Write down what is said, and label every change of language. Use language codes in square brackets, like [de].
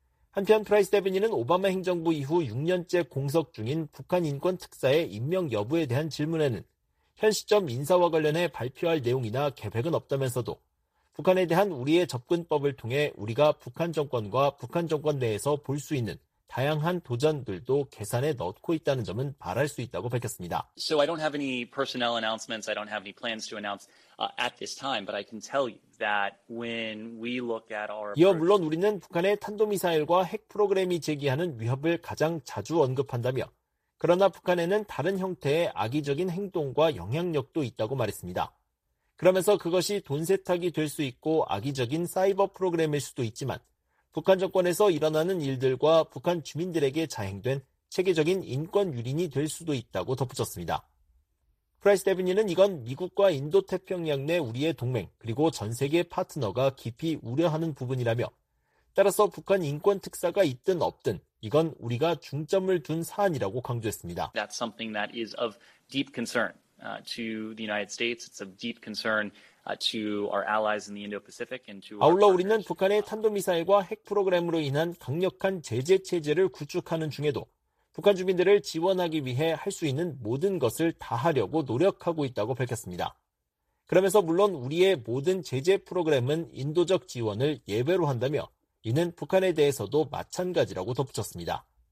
[ko] 한편 프라이스 대변인은 오바마 행정부 이후 6년째 공석 중인 북한 인권 특사의 임명 여부에 대한 질문에는 현 시점 인사와 관련해 발표할 내용이나 계획은 없다면서도 북한에 대한 우리의 접근법을 통해 우리가 북한 정권과 북한 정권 내에서 볼 수 있는 다양한 도전들도 계산에 넣고 있다는 점은 말할 수 있다고 밝혔습니다. [en] So I don't have any personnel announcements. I don't have any plans to announce at this time, but I can tell you that when we look at our [ko] 이어 물론 우리는 북한의 탄도미사일과 핵 프로그램이 제기하는 위협을 가장 자주 언급한다며 그러나 북한에는 다른 형태의 악의적인 행동과 영향력도 있다고 말했습니다. 그러면서 그것이 돈 세탁이 될 수 있고 악의적인 사이버 프로그램일 수도 있지만 북한 정권에서 일어나는 일들과 북한 주민들에게 자행된 체계적인 인권 유린이 될 수도 있다고 덧붙였습니다. 프라이스 대변인은 이건 미국과 인도태평양 내 우리의 동맹 그리고 전 세계 파트너가 깊이 우려하는 부분이라며 따라서 북한 인권 특사가 있든 없든 이건 우리가 중점을 둔 사안이라고 강조했습니다. [en] That's something that is of deep concern to the United States. It's of deep concern. To our allies in the Indo-Pacific and to our [ko] 아울러 우리는 북한의 탄도미사일과 핵 프로그램으로 인한 강력한 제재 체제를 구축하는 중에도 북한 주민들을 지원하기 위해 할 수 있는 모든 것을 다하려고 노력하고 있다고 밝혔습니다. 그러면서 물론 우리의 모든 제재 프로그램은 인도적 지원을 예외로 한다며 이는 북한에 대해서도 마찬가지라고 덧붙였습니다.